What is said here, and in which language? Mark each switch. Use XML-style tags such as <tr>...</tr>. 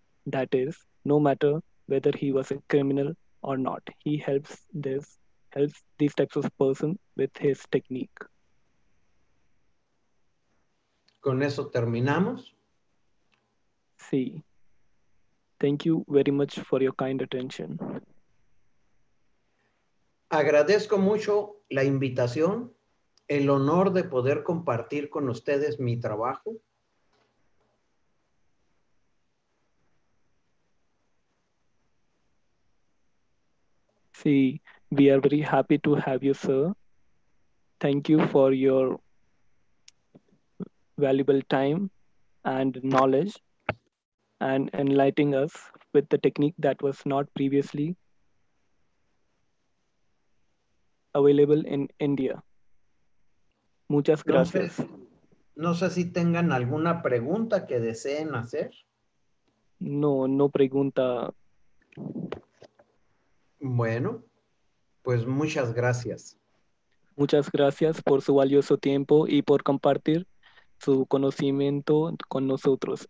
<en>That is, no matter whether he was a criminal or not, he helps these types of person with his technique.</en> <es>Con eso terminamos. Sí.</es> <en>Thank you very much for your kind attention.</en> <es>Agradezco mucho la invitación, el honor de poder compartir con ustedes mi trabajo.</es> <en>Sí, we are very happy to have you, sir. Thank you for your valuable time and knowledge and enlightening us with the technique that was not previously available in India.</en> <es>Muchas gracias. No sé si tengan alguna pregunta que deseen hacer. No pregunta. Bueno, pues muchas gracias. Muchas gracias por su valioso tiempo y por compartir su conocimiento con nosotros.</es>